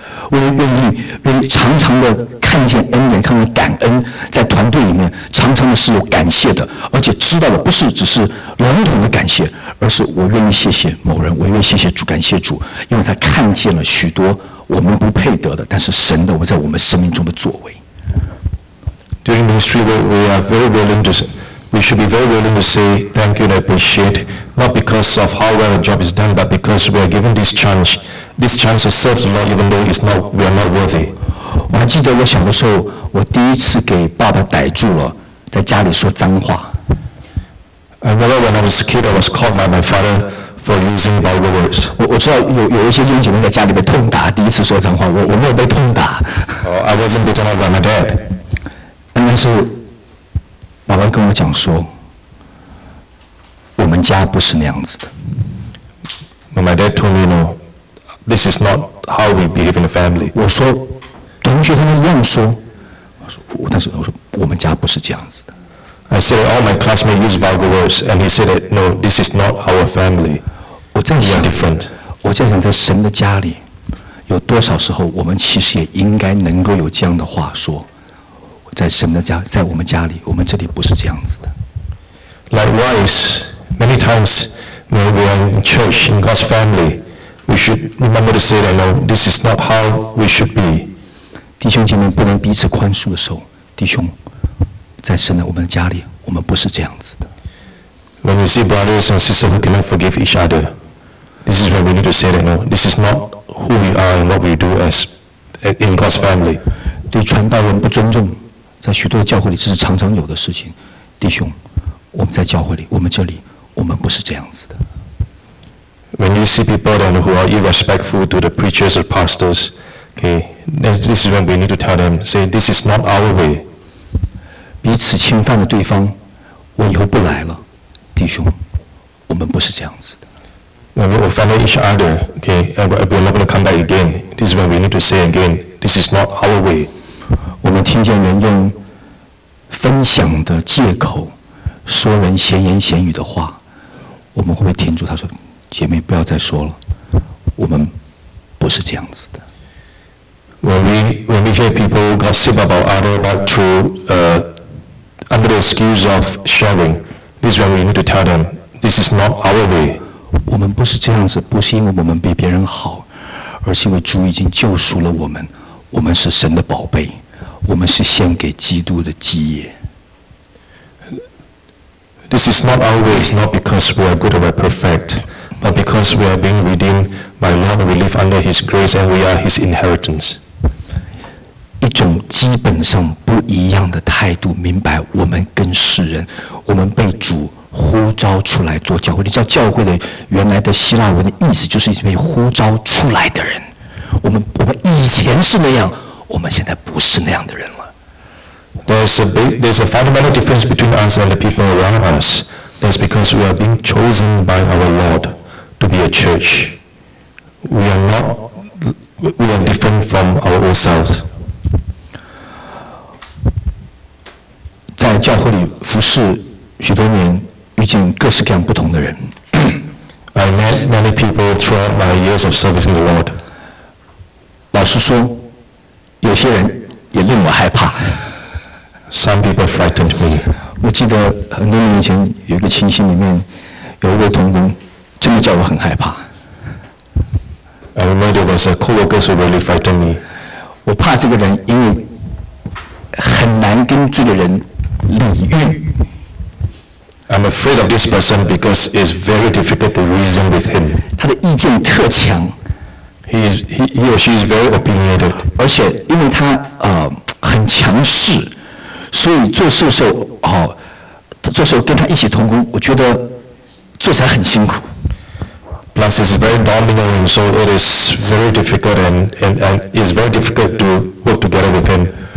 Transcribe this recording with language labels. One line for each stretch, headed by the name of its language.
Chinese: 我们愿意常常的看见恩典，看见感恩，在团队里面常常的是有感谢的，而且知道的不是只是笼统的感谢。而是我愿意谢谢某人，我愿意谢谢主，感谢主，因为他看见了许多我们不配得的，但是神的我在我们生命中的作为。
English: During ministry, we should be very willing to say thank you and appreciate, not because of how well the job is done, but because we are given this chance to serve the Lord, even though we are not worthy.
Chinese: 我还记得我小的时候，我第一次给爸爸逮住了，在家里说脏话。
English: I remember when I was a kid, I was caught by my father for using vulgar words.
Chinese: 我知道有一些弟兄姐妹在家里被痛打，第一次说脏话，我没有被痛打。
English: I wasn't beaten up by my dad.
Chinese: 但是爸爸跟我讲说，我们家不是那样子的。
English: But my dad told me, no, this is not how we behave in the family.
Chinese: 我说，同学他们一样说。我说我们家不是这样子的。
English: I said all my classmates use vulgar words, and he said, "No, this is not our family. We are different."
Chinese: 我在想，在神的家里，有多少时候我们其实也应该能够有这样的话说，在神的家，在我们家里，我们这里不是这样子的。
English: Likewise, many times when we are in church in God's family, we should remember to say that, "No, this is not how we should be."
Chinese: 弟兄姐妹不能彼此宽恕的时候，弟兄，在神的我们的家里，我们不是这样子的。
English: When we see brothers and sisters who cannot forgive each other, this is when we need to say that no, this is not who we are and what we do as in God's family.
Chinese: 对传道人不尊重，在许多教会里这是常常有的事情。弟兄，我们在教会里，我们这里，我们不是这样子的。
English: When you see people then who are irrespectful to the preachers or pastors, okay, this is when we need to tell them, say, this is not our way.
Chinese: 彼此侵犯了对方，我以后不来了。弟兄，我们不是这样子的。
English: When we offend each other, okay, and we're not going to come back again, this is when we need to say again, this is not our way.
Chinese: 我们听见人用分享的借口说人闲言闲语的话，我们会不会停住？他说，姐妹，不要再说了，我们不是这样子的。
English: When we hear people gossip about other, but through under the excuse of sharing. This is when we need to tell them, this is not our way.
Chinese: 我们不是这样子，不是因为我们比别人好，而是因为主已经救赎了我们。我们是神的宝贝，我们是献给基督的基业。
English: This is not our way. It's not because we are good or we are perfect, but because we are being redeemed by Lord. We live under His grace, and we are His inheritance.
Chinese: 一种基本上不一样的态度，明白我们跟世人。我们被主呼召出来做教会，你知道教会的原来的希腊文的意思就是被呼召出来的人。我们以前是那样，我们现在不是那样的人了。
English: There's a fundamental difference between us and the people around us. That's because we are being chosen by our Lord to be a church. We are different from our old selves.
Chinese: 在教会里服侍许多年，遇见各式各样不同的人。
English: I met many people throughout my years of serving the Lord.
Chinese: 老实说，有些人也令我害怕。
English: Some people frightened me.
Chinese: 我记得很多年以前有一个情形里面，有一位同工真的叫我很害怕。
English: I remember there was a coworker who really frightened me.
Chinese: 我怕这个人，因为很难跟这个人。礼运。
English: I'm afraid of this person because it's very difficult to reason with him.
Chinese: 他的意见特强。
English: He or she is very opinionated.
Chinese: 而且因为他很强势，所以做事的时候做事跟他一起同工，我觉得做起来很辛苦。
English: Plus, it's very dominant, so it is very difficult, and it's very difficult to work together with him.